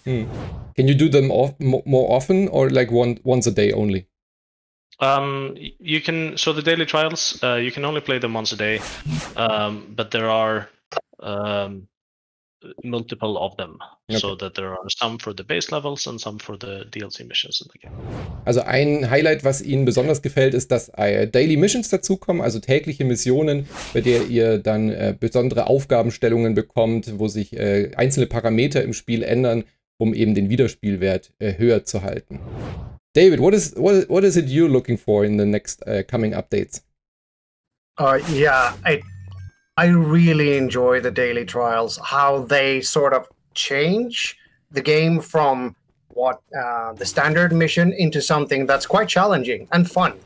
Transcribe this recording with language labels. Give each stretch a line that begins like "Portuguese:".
English: Hmm. Can you do them more often, or like once a day only? You can. So the daily trials, you can only play them once a day, but there are multiple of them. Okay. So that there are some for the base levels and some for the DLC missions in the game.
German: Also ein Highlight, was Ihnen besonders gefällt, ist, dass Daily Missions dazukommen, also tägliche Missionen, bei der ihr dann besondere Aufgabenstellungen bekommt, wo sich einzelne Parameter im Spiel ändern, um eben den Wiederspielwert höher zu halten.
English: David, what is it you're looking for in the next coming updates? I really enjoy the daily trials, how they sort of change the game from what the standard mission into something that's quite challenging and fun.